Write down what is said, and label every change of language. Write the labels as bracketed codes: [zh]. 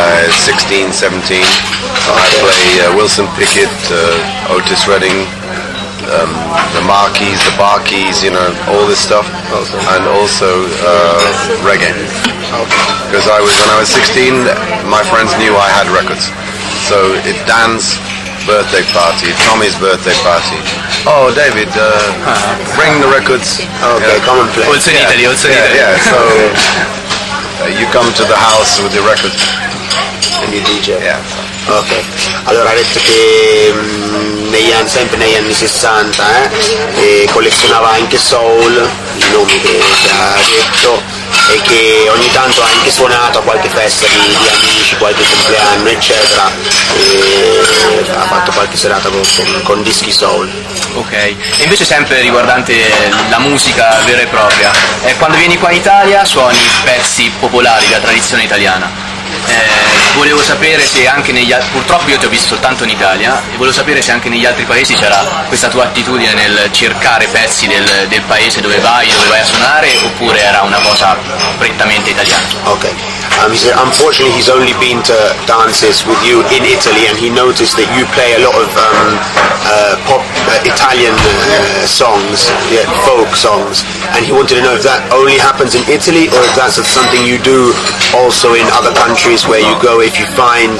[en] 16, 17, I play Wilson Pickett, Otis Redding, the Marquis, the Bar Keys, you know, all this stuff, and also reggae, because when I was 16, my friends knew I had records, so it Dan's birthday party, Tommy's birthday party, oh David, bring the records, okay, yeah, come and play, also in Italy, also in Italy, yeah, so... you come to the house with the record and you DJ. Yeah. [it] Ok, allora ha detto che sempre negli anni 60 e collezionava anche soul, i nomi che ha detto, e che ogni tanto ha anche suonato a qualche festa di amici, qualche compleanno eccetera, e ha fatto qualche serata con dischi soul. Ok, e invece sempre riguardante la musica vera e propria, quando vieni qua in Italia suoni pezzi popolari della tradizione italiana. Volevo sapere se anche negli altri, purtroppo io ti ho visto soltanto in Italia, e volevo sapere se anche negli altri paesi c'era questa tua attitudine nel cercare pezzi del paese dove vai a suonare, oppure era una cosa prettamente italiana. [en] Ok, he said unfortunately he's only been to dances with you in Italy, and he noticed that you play a lot of pop Italian songs, yeah, folk songs, and he wanted to know if that only happens in Italy, or if that's something you do also in other countries where you go if you find